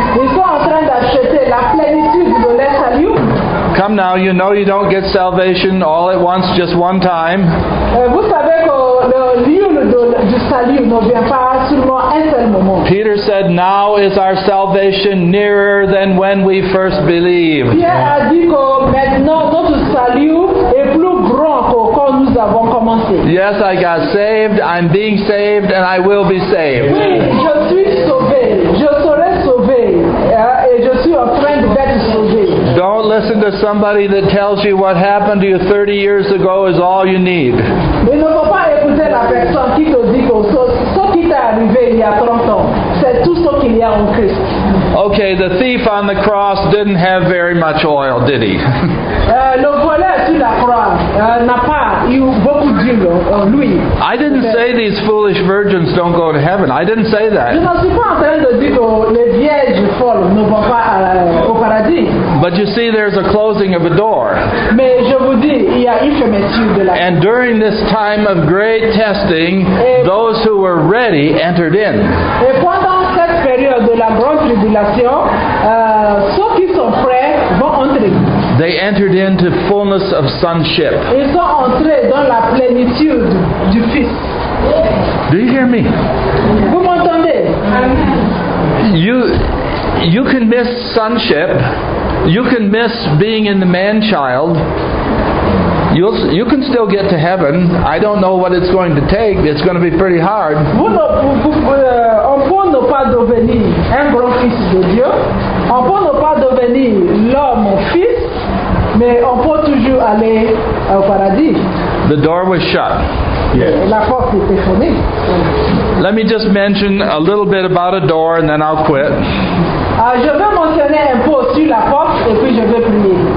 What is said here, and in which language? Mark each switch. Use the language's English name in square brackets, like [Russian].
[French] Ils sont en train d'acheter la plénitude de leur salut. [English] Come now, you know you don't get salvation all at once, just one time. [French] Vous savez que l'huile du salut ne vient pas seulement un seul moment. [English] Peter said, now is our salvation nearer than when we first believed. [French] Pierre a dit que maintenant notre salut est plus grand que quand nous avons commencé. [English] Yes, I got saved, I'm being saved, and I will be saved. [French] Oui, je suis sauvé, je serai sauvé, et je suis en train d'être sauvé. [English] Don't listen to somebody that tells you what happened to you 30 years ago is all you need. [French] Mais ne faut pas écouter la personne qui te dit que ce qui t'est arrivé il y a 30 ans, c'est tout ce qu'il y a en Christ. [English] Okay, the thief on the cross didn't have very much oil, did he? [French] Le voleur sur la croix n'a pas eu beaucoup d'huile en lui. [English] I didn't say these foolish virgins don't go to heaven. I didn't say that. [French] Je ne suis pas en train de dire que les vierges folles ne vont pas au paradis. [English] But you see, there's a closing of a door. [French] Mais je vous dis, il y a une fermeture de la. [English] And during this time of great testing, those who were ready entered in. [French] Et pendant cette période de la grande tribulation, ceux qui sont prêts vont entrer. [English] They entered into fullness of sonship. [French] Ils sont entrés dans la plénitude du Fils. [English] Do you hear me? [French] Vous m'entendez? [English] You can miss sonship. You can miss being in the man-child. You can still get to heaven. I don't know what it's going to take. It's going to be pretty hard. [French] On peut ne pas devenir un grand fils de Dieu. On peut ne pas devenir l'homme fils, mais on peut toujours aller au paradis. [English] The door was shut. [French] La porte était fermée. [English] Let me just mention a little bit about a door and then I'll quit. [French] Je vais mentionner un peu sur la porte et puis je vais prier.